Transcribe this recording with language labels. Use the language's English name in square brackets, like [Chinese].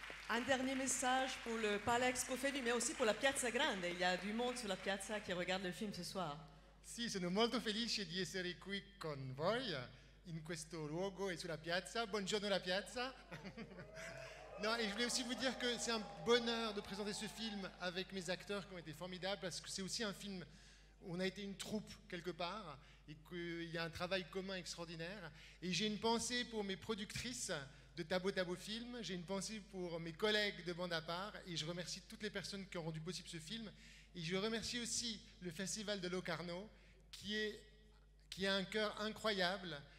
[French] Un dernier message pour le Palais Expo Fevi, mais aussi pour la Piazza Grande. Il y a du monde sur la piazza qui regarde le film ce soir. [Italian] Sì, sono molto felice di essere qui con voi in questo luogo e sulla piazza. Buongiorno la piazza. [French] Non, et je voulais aussi vous dire que c'est un bonheur de présenter ce film avec mes acteurs qui ont été formidables, parce que c'est aussi un film où on a été une troupe quelque part et qu'il y a un travail commun extraordinaire. Et j'ai une pensée pour mes productrices de Tabo Tabo Film, j'ai une pensée pour mes collègues de Bande à Part, et je remercie toutes les personnes qui ont rendu possible ce film, et je remercie aussi le Festival de Locarno, qui a un cœur incroyable.